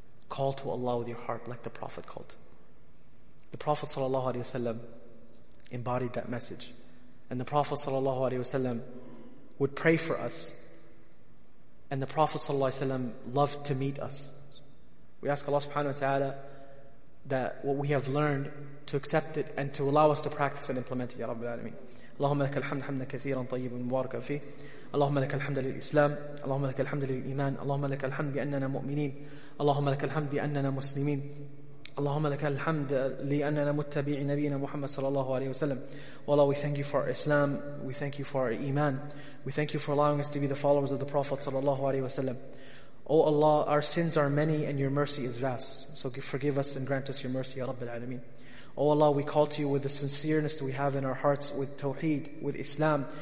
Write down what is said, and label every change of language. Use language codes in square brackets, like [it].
[en] Call to Allah with your heart like the Prophet called. The Prophet sallallahu alaihi wasallam embodied that message. And the Prophet sallallahu alaihi wasallam would pray for us. And the Prophet sallallahu alaihi wasallam loved to meet us. We ask Allah subhanahu wa ta'ala that what we have learned, to accept it and to allow us to practice and implement it, Ya Rabbil Alameen. [ar] اللهم لك الحمد حمدا كثيرا طيبا مباركا فيه. اللهم لك الحمد للإسلام، اللهم لك الحمد للإيمان، اللهم لك الحمد بأننا مؤمنين، اللهم لك الحمد بأننا مسلمين، اللهم لك الحمد لأننا متبع نبينا محمد صلى الله عليه وسلم. [en] Allah, we thank you for our Islam, we thank you for our Iman, we thank you for allowing us to be the followers of the Prophet صلى الله عليه وسلم. O Allah, our sins are many and your mercy is vast, so forgive us and grant us your mercy, Ya Rabbil Alameen. O Allah, we call to you with the sincereness that we have in our hearts, with Tawheed, with Islam.